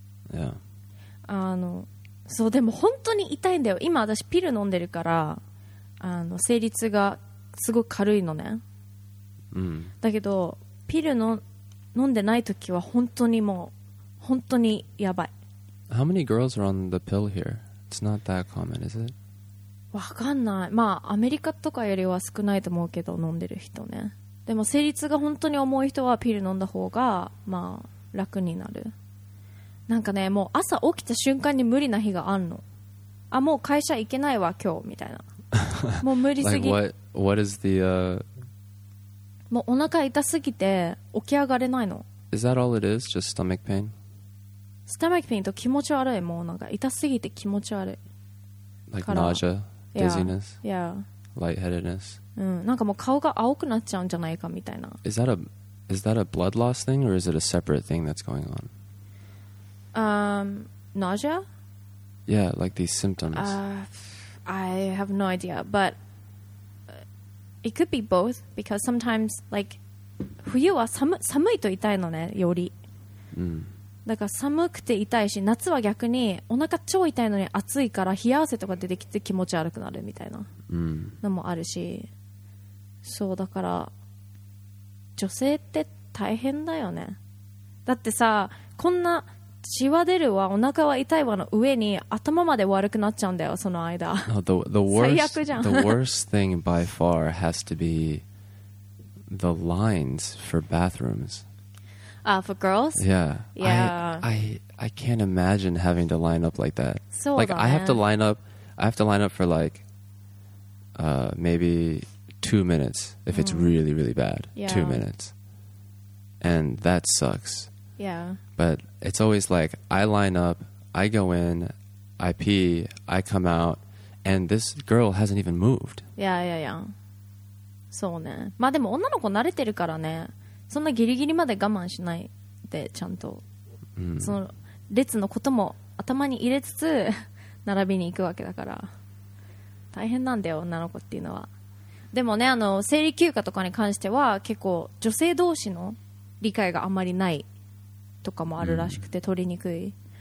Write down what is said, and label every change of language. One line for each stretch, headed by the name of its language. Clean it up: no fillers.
English: Yeah.
Japanese: あのそうでも本当に痛いんだよ。今私ピル飲んでるからあの生理痛がすごく軽いのね。 Mm-hmm. だけどピルの飲んでない時は本当にもう本当にやばい。
English: How many girls are on the pill here? It's not that common, is it?
Japanese: わかんない。まあアメリカとかよりは少ないと思うけど、飲んでる人ね。でも生理痛が本当に重い人はピル飲んだ方がまあ楽になる。なんかね、もう朝起きた瞬間に無理な日があんの。あ、もう会社行けないわ今日みたいな。もう無理すぎ。
English: Like what is the?
Japanese: もうお腹痛すぎて起き上がれないの。
English: Is that all it is? Just stomach pain? Stomach pain
Japanese: と気持ち悪い。もうなんか痛すぎて気持ち悪い。
English: Like nausea, dizziness, yeah. Lightheadedness.
Japanese: うん、なんかもう顔が青くなっちゃうんじゃないかみたいな。
English: Is that a blood loss thing or is it a separate thing that's going on? Nausea? Yeah, like these symptoms. I have no idea, but it could be both because sometimes, like,
Japanese: 冬は寒いと痛いのね、より。うん。だから寒くて痛いし夏は逆にお腹超痛いのに暑いから冷や汗とか出てきて気持ち悪くなるみたいなのもあるし、うん、そうだから女性って大変だよね。だってさこんな血は出るわお腹は痛いわの上に頭まで悪くなっちゃうんだよその間。
English: No, the worst,
Japanese: 最悪じゃん。
English: The worst thing by far has to be the lines for bathrooms For girls? Yeah. Yeah. I can't imagine having to line up like that. So like,
Japanese: だね.
English: I have to line up for like, maybe 2 minutes if it's really, really bad. Yeah. 2 minutes. And that sucks. Yeah. But it's always like, I line up, I go in, I pee, I come out, and this girl hasn't even moved. Yeah, yeah, yeah.
Japanese: そうね。まあでも女の子慣れてるからね。そんなギリギリまで我慢しないでちゃんと、うん、その列のことも頭に入れつつ並びに行くわけだから大変なんだよ女の子っていうのは。でもねあの生理休暇とかに関しては結構女性同士の理解があまりないとかもあるらしくて、うん、取りにくい。